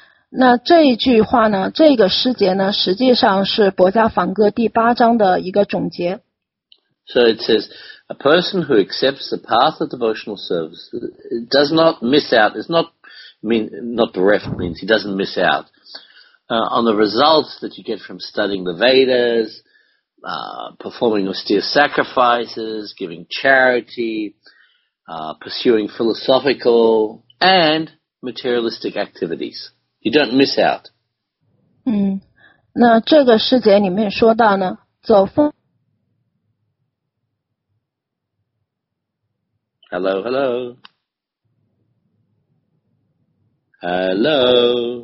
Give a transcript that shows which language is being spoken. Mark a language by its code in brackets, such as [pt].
[zh] 那这一句话呢，这个诗节呢，实际上是《薄伽梵歌》第八章的一个总结。 [en] So it says, a person who accepts the path of devotional service does not miss out. It's not mean not bereft means he doesn't miss out. On the results that you get from studying the Vedas, performing austere sacrifices, giving charity, pursuing philosophical and materialistic activities. You don't miss out. [zh] 那这个诗节里面说到呢，走奉。 [en] Hello.